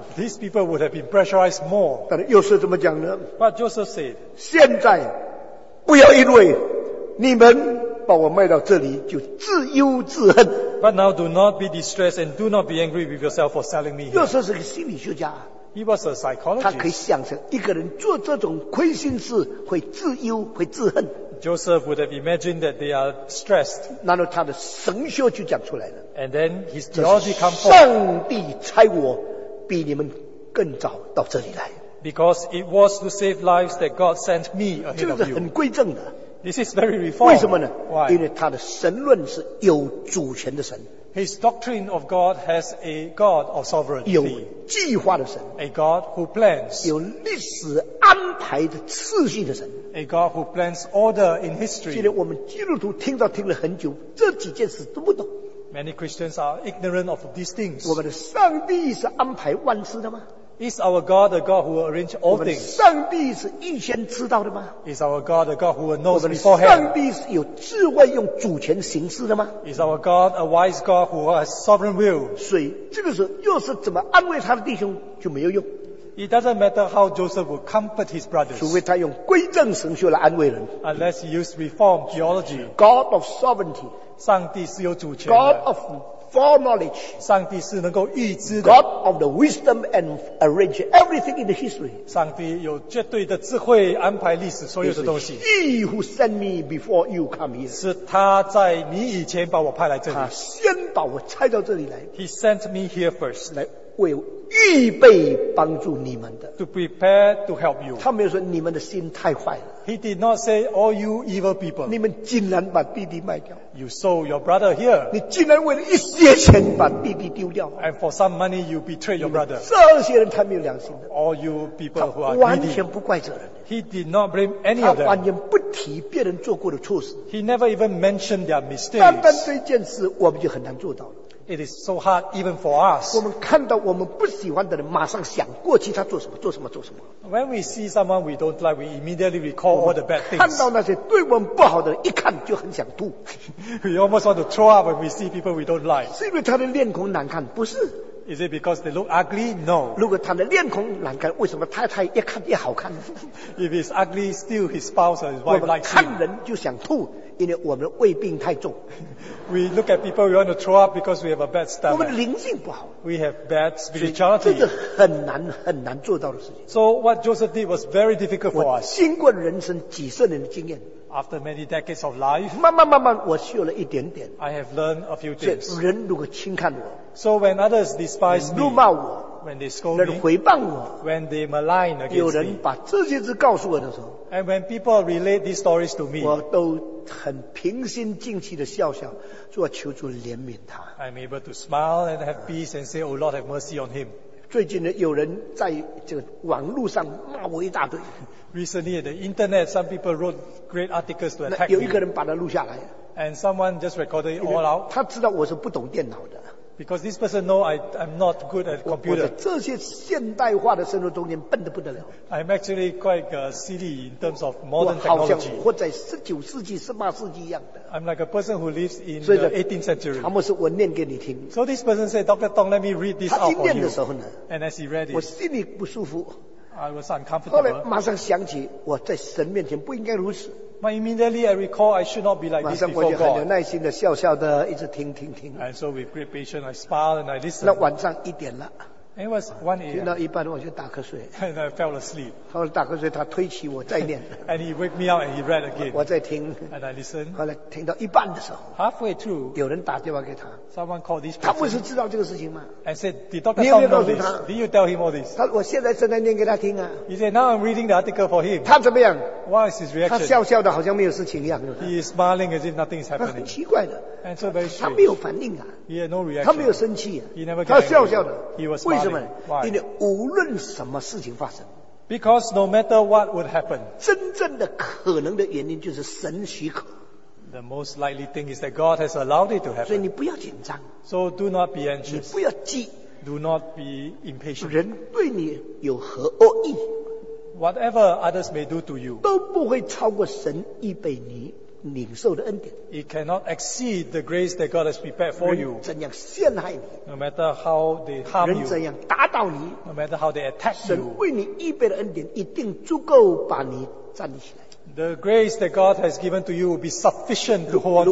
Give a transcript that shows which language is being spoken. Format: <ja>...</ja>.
<en>these people would have been pressurized more.</en> <zh>但是约瑟怎么讲呢?</zh> <en>But Joseph said,</en> <zh>现在不要因为你们 把我卖到这里就自忧自恨。</zh> <en>But now do not be distressed and do not be angry with yourself for selling me.</en> <zh>约瑟是个心理学家。</zh> <en>He was a psychologist.</en> <zh>他可以想成一个人做这种亏心事会自忧会自恨。</zh> <en>Joseph would have imagined that they are stressed.</en> <zh>然后他的神学就讲出来了。</zh> <en>And then his theology come forth.</en> <zh>上帝差我比你们更早到这里来。</zh> <en>Because it was to save lives that God sent me ahead of you.</en> <zh>这是很规正的。</zh> <en>This is very reformed.</en> <zh>为什么呢?</zh> <en>Why?</en> <zh>因为他的神论是有主权的神。</zh> <en>His doctrine of God has a God of sovereignty.</en> <zh>有计划的神。</zh> <en>A God who plans.</en> <zh>有历史安排的次序的神。</zh> <en>A God who plans order in history.</en> <zh>现在我们基督徒听了很久，这几件事都不懂。</zh> <en>Many Christians are ignorant of these things.</en> <zh>我们的上帝是安排万事的吗？</zh> <en>Is our God a God who will arrange all things?</en> <zh>我们上帝是预先知道的吗?</zh> <en>Is our God a God who will know beforehand?</en> <zh>我们上帝是有智慧用主权行事的吗?</zh> <en>Is our God a wise God who has sovereign will?</en> <zh>所以这个时候又是怎么安慰他的弟兄就没有用。</zh> <en>It doesn't matter how Joseph will comfort his brothers.</en> <zh>除非他用归正神学来安慰人。</zh> <en>Unless he used reformed theology. God of sovereignty.</en> <zh>上帝是有主权的。</zh> <en>God of foreknowledge.</en> <zh>上帝是能够预知的。</zh> <en>God of the wisdom and arrange everything in the history.</en> <zh>上帝有绝对的智慧安排历史所有的东西。</zh> <en>He who sent me before you come here.</en> <zh>是他在你以前把我派来这里。他先把我拆到这里来。</zh> <en>He sent me here first.</en> <zh>来为预备帮助你们的。</zh> <en>To prepare to help you.</en> <zh>他没有说你们的心太坏了。</zh> <en>He did not say, all you evil people.</en> <zh>你们竟然把弟弟卖掉。</zh> <en>You sold your brother here.</en> <zh>你竟然为了一些钱把弟弟丢掉。</zh> <en>And for some money, you betrayed your brother.</en> <zh>这些人太没有良心了。</zh> <en>All you people who are greedy.</en> <zh>他完全不怪责任。</zh> <en>He did not blame any of them.</en> <zh>他完全不提别人做过的错事。</zh> <en>He never even mentioned their mistakes.</en> <zh>单单这件事我们就很难做到了。</zh> <en>It is so hard even for us.</en> <zh>我们看到我们不喜欢的人，马上想过去他做什么，做什么，做什么。</zh> <en>When we see someone we don't like, we immediately recall all the bad things.</en> <zh>看到那些对我们不好的人，一看就很想吐。</zh> <en>We almost want to throw up when we see people we don't like.</en> <zh>是因为他的脸孔难看，不是。</zh> <en>Is it because they look ugly? No.</en> <zh>如果他的脸孔难看，为什么太太越看越好看？</zh> <en>If he's ugly, still his spouse or his wife likes him.</en> <zh>我们看人就想吐。因为我们的胃病太重，</zh> <en>we look at people we want to throw up because we have a bad stomach.</en> <zh>我们的灵性不好，</zh> <en>we have bad spirituality.</en> <zh>这是很难做到的事情。</zh> <en>So what Joseph did was very difficult for us.</en> <zh>我经过人生几十年的经验，</zh> <en>after many decades of life,</en> <zh>慢慢我学了一点点。</zh> <en>I have learned a few things.</en> <zh>人如果轻看我，</zh> <en>so when others despise me,</en> <zh>辱骂我，</zh> <en>when they scold me,</en> <zh>人回谤我，</zh> <en>when they malign against me,</en> <zh>有人把这些事告诉我的时候，</zh> <en>and when people relate these stories to me,</en> <zh>我都很平心静气地笑笑，说求主怜悯他。</zh> <en>I'm able to smile and have peace and say, oh Lord, have mercy on him.</en> <zh>最近呢，有人在这个网络上骂我一大堆。</zh> <en>Recently, at the internet, some people wrote great articles to attack me.</en> <zh>有一个人把它录下来，</zh> <en>and someone just recorded it all out.</en> <zh>他知道我是不懂电脑的。</zh> <en>Because this person knows I'm not good at computer.</en> <zh>我在这些现代化的生活中间笨得不得了。</zh> <en>I'm actually quite silly in terms of modern technology.</en> <zh>我好像活在19世纪、18世纪一样的。</zh> <en>I'm like a person who lives in the 18th century.</en> <zh>他们是我念给你听。</zh> <en>So this person said, Dr. Tong, let me read this out for you.</en> <zh>他一念的时候呢，</zh> <en>and as he read it,</en> <zh>我心里不舒服。</zh> <en>I was uncomfortable.</en> <zh>后来马上想起我在神面前不应该如此。</zh> <en>But immediately I recall I should not be like this before God.</en> <zh>我就很有耐心地笑笑地一直听。</zh> <en>And so with great patience I smile and I listen.</en> <zh>那晚上一点了。</zh> <en>It was 1 a.m.</en> <zh>听到一半我就打瞌睡。</zh> <en>And I fell asleep.</en> <zh>他说打瞌睡，他推起我再念。</zh> <en>And he wake me up and he read again.</en> <zh>我在听。</zh> <en>And I listen.</en> <zh>后来听到一半的时候，</zh> <en>halfway through,</en> <zh>有人打电话给他。</zh> <en>Someone called this person.</en> <zh>他不是知道这个事情吗？</zh> <en>And said, did Dr. Tong know this? Did you tell him all this?</en> <zh>我现在正在念给他听啊。</zh> <en>He said, now I'm reading the article for him.</en> <zh>他怎么样？</zh> <en>What is his reaction?</en> <zh>他笑笑的好像没有事情一样。</zh> <en>He is smiling as if nothing is happening.</en> <zh>很奇怪的。</zh> <en>And so very strange.</en> <zh>他没有反应啊。</zh> <en>He had no reaction.</en> <zh>他没有生气啊。</zh> <en>He never got angry.</en> <zh>他笑笑的。</zh> <en>He was smiling.</en> <zh>为什么？</zh> <en>Why?</en> <zh>因为无论什么事情发生，</zh> <en>because no matter what would happen,</en> <zh>真正的可能的原因就是神许可。</zh> <en>The most likely thing is that God has allowed it to happen.</en> <zh>所以你不要紧张。</zh> <en>So do not be anxious.</en> <zh>你不要急。</zh> <en>Do not be impatient.</en> <zh>人对你有何恶意？</zh> <en>Whatever others may do to you,</en> <zh>都不会超过神预备你领受的恩典。</zh> <en>It cannot exceed the grace that God has prepared for you.</en> <zh>人怎样陷害你，</zh> <en>no matter how they harm you,</en> <zh>人怎样打倒你，</zh> <en>no matter how they attack you,</en> <zh>神为你预备的恩典一定足够把你站起来。</zh> <en>The grace that God has given to you will be sufficient to hold on to you.</en>